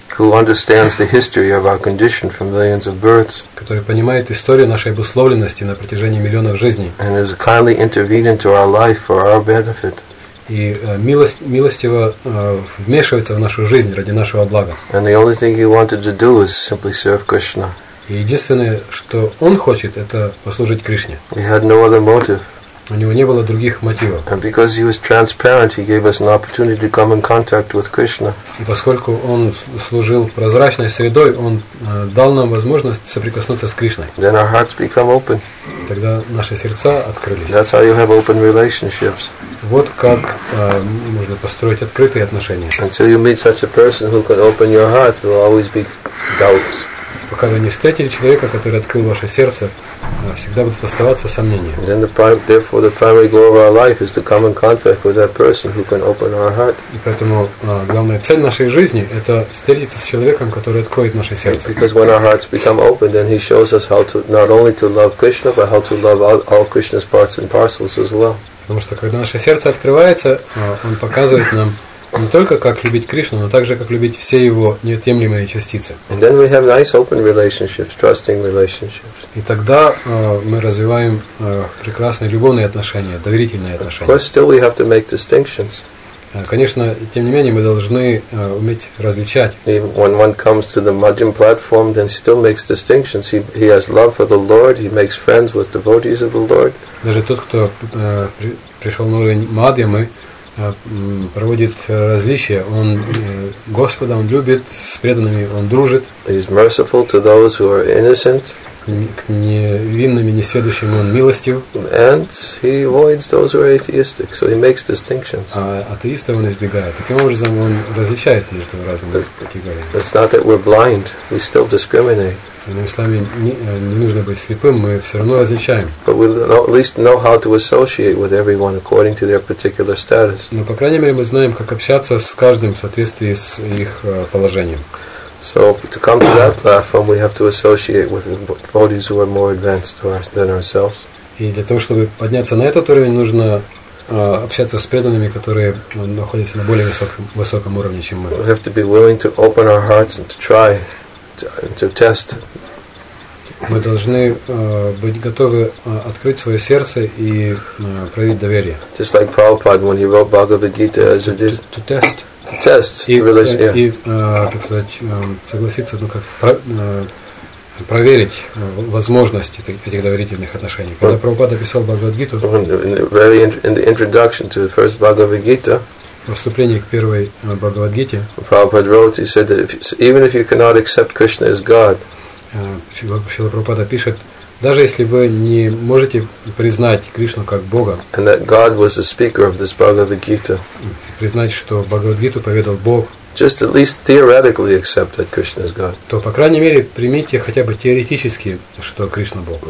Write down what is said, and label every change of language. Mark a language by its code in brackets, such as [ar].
[en] Who understands the history of our condition from millions of births. [ru] Который понимает историю нашей обусловленности на протяжении миллионов жизней. [en] And is kindly intervening to our life for our benefit. [ru] И милостиво вмешивается в нашу жизнь ради нашего блага. [en] And the only thing he wanted to do is simply serve Krishna. [ru] И единственное, что он хочет, это послужить Кришне. [en] He had no other motive. [ru] У него не было других мотивов. [en] And because he was transparent, he gave us an opportunity to come in contact with Krishna. [ru] И поскольку он служил прозрачной средой, он дал нам возможность соприкоснуться с Кришной. [en] Then our hearts become open. [ru] Тогда наши сердца открылись. [en] That's how you have open relationships. [ru] Вот как можно построить открытые отношения. [en] Until you meet such a person who can open your heart, there will always be doubts. [ru] Пока вы не встретили человека, который открыл ваше сердце, всегда будут оставаться сомнения. [en] Then therefore the primary goal of our life is to come in contact with that person who can open our heart. [ru] И поэтому главная цель нашей жизни – это встретиться с человеком, который откроет наше сердце. [en] Because when our hearts become open, then he shows us how to not only to love Krishna, but how to love all Krishna's parts and parcels as well. [ru] Потому что когда наше сердце открывается, он показывает нам не только как любить Кришну, но также как любить все его неотъемлемые частицы. [en] And then we have nice open relationships, trusting relationships. [ru] И тогда мы развиваем прекрасные любовные отношения, доверительные отношения. [en] Of course, still we have to make distinctions. [ru] Конечно, тем не менее, мы должны уметь различать. [en] Even when one comes to the Majjhim platform, then he still makes distinctions. He has love for the Lord, he makes friends with devotees of the Lord. [ru] Даже тот, кто пришел на уровень Мадьямы, проводит различия. Он Господа, он любит с преданными, он дружит. [en] He's merciful to those who are innocent. [ru] К невинным и несведущим он милостив. [en] And he avoids those who are atheistic, so he makes distinctions. [ru] А атеистов он избегает. Таким образом, он различает между разными категориями. [en] It's not that we're blind. We still discriminate. [ru] Иными словами, не нужно быть слепым, мы все равно различаем. [en] But we at least know how to associate with everyone according to their particular status. [ru] Но, по крайней мере, мы знаем, как общаться с каждым в соответствии с их положением. [en] So, to come to that platform, we have to associate with devotees who are more advanced to us than ourselves. [ru] И для того, чтобы подняться на этот уровень, нужно общаться с преданными, которые находятся на более высоком уровне, чем мы. [en] We have to be willing to open our hearts and to try. To test. [ru] Мы должны быть готовы открыть свое сердце и проявить доверие. [en] Just like Prabhupada, when he wrote Bhagavad Gita, as it is. To test. To test. [ru] И, [en] to realize, yeah. [ru] И так сказать, согласиться, ну как проверить возможности этих доверительных отношений. Когда Прабхупада писал Бхагавад Гиту, [en] in the introduction to the first Bhagavad Gita. [ru] Во вступлении к первой Бхагавад-гите [en] Prabhupada wrote, he said, even if you cannot accept Krishna as God, [ru] Шрила Прабхупада пишет, даже если вы не можете признать Кришну как Бога, [en] and that God was the speaker of this Bhagavad-gita, [ru] признать, что Бхагавад-гиту поведал Бог, [en] just at least theoretically accept that Krishna is God. [ru] То, по крайней мере, примите хотя бы теоретически, что Кришна Бог.